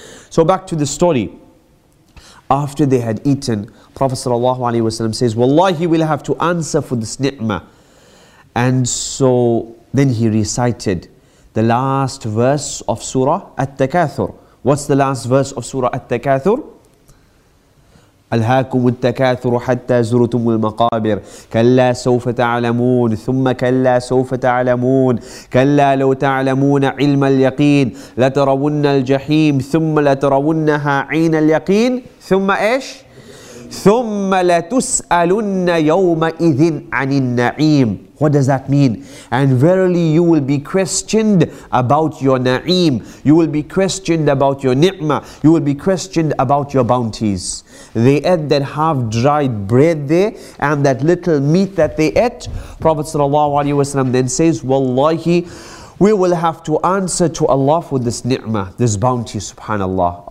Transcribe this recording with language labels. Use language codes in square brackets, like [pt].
[en] So back to the story. After they had eaten, Prophet sallallahu alaihi wasallam says, wallahi, we'll have to answer for this ni'mah. And so then he recited the last verse of Surah At-Takathur. What's the last verse of Surah At-Takathur? [ar] ألهاكم التكاثر حتى زرتم المقابر كلا سوف تعلمون ثم كلا سوف تعلمون كلا لو تعلمون علم اليقين لترون الجحيم ثم لترونها عين اليقين ثم إيش؟ ثم لتسألن يومئذ عن النعيم. [en] What does that mean? And verily you will be questioned about your na'im. You will be questioned about your ni'mah. You will be questioned about your bounties. They ate that half dried bread there and that little meat that they ate. Prophet ﷺ then says, Wallahi, we will have to answer to Allah for this ni'mah, this bounty, subhanAllah.